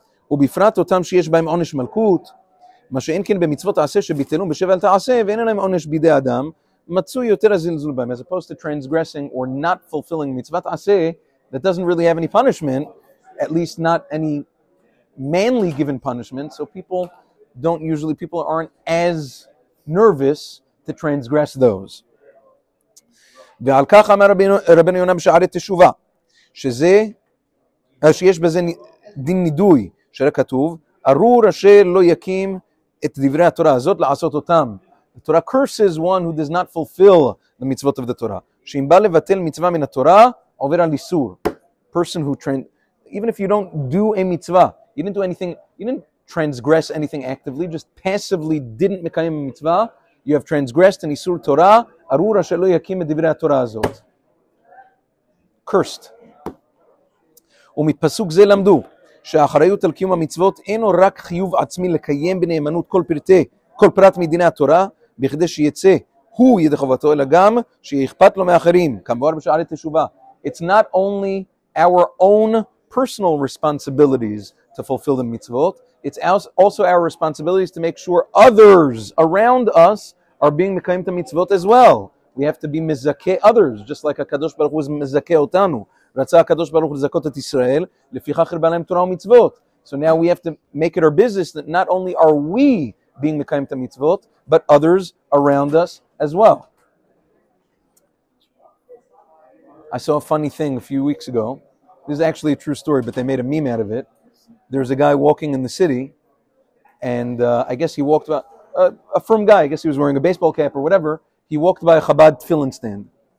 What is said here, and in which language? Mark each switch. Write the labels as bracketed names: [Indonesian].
[Hebrew] ובפרט אותם שיש בהם עונש מלכות, מה שאין כן במצוות תעשה שביטלו בשבע אל תעשה, ואין להם עונש בידי אדם, מצוי יותר הזלזול בהם. [English] As opposed to transgressing or not fulfilling [Hebrew] מצוות תעשה, [English] that doesn't really have any punishment, at least not any manly given punishment, so people aren't as nervous to transgress those. [Hebrew] ועל כך אמר רבנו יונה בשערי תשובה, שיש בזה דין נידוי, שרק כתוב, ארור אשר לא יקים את דברי התורה הזאת לעשות אותם. [English] The Torah curses one who does not fulfill the mitzvot of the Torah. [Hebrew] שאם בא לבטל מצווה מן התורה, עובר על איסור. [English] Person who trained, even if you don't do a mitzvah, you didn't do anything, you didn't transgress anything actively, just passively didn't [Hebrew] מקיים מצווה, [English] you have transgressed an [Hebrew] איסור תורה, ארור אשר לא יקים את דברי התורה הזאת. [English] Cursed. [Hebrew] ומפסוק זה למדו. שאחריות על קיום המצוות אינו רק חיוב עצמי לקיים בנאמנות כל פרט מדיני התורה, בכדי שיצא הוא ידי חובתו, אלא גם שיאכפת לו מאחרים, כמובן בשערי תשובה. [English] It's not only our own personal responsibilities to fulfill the mitzvot, it's also our responsibilities to make sure others around us are being [Hebrew] מקיים את המצוות [English] as well. We have to be מזכה others, just like [Hebrew] הקדוש ברוך הוא מזכה אותנו. רצה הקדוש ברוך הוא לזכות את ישראל, לפיכך הרבה להם תורה ומצוות. [English] So now we have to make it our business that not only are we being [Hebrew] מקיים את המצוות, [English] but others around us as well. I saw a funny thing a few weeks ago. This is actually a true story, but they made a meme out of it. There's a guy walking in the city, and I guess he walked by, a firm guy, I guess he was wearing a baseball cap or whatever, he walked by a Chabad tefillin stand.